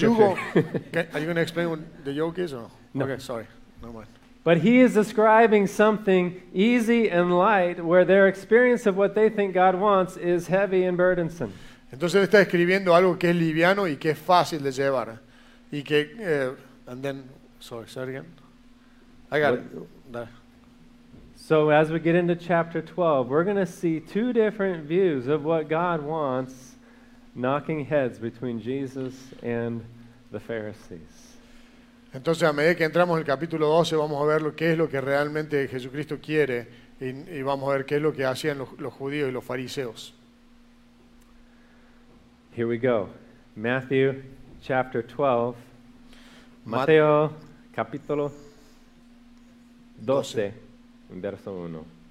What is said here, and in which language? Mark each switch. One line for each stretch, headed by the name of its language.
English: yugo, are you going to explain what the yoke is or no? No. Okay, sorry. No mind. But he is describing something easy and light where their experience of what they think God wants is heavy and burdensome.
Spanish: Entonces él está escribiendo algo que es liviano y que es fácil de llevar. Y que,
English: and then, sorry, say it again. I got what, it. So as we get into chapter 12, we're going to see two different views of what God wants knocking heads between Jesus and the Pharisees.
Spanish: Entonces a medida que entramos en el capítulo 12, vamos a ver lo que es lo que realmente Jesucristo quiere y vamos a ver qué es lo que hacían los judíos y los fariseos.
English: Here we go. Matthew chapter 12.
Spanish: Mateo capítulo 12, verso 1.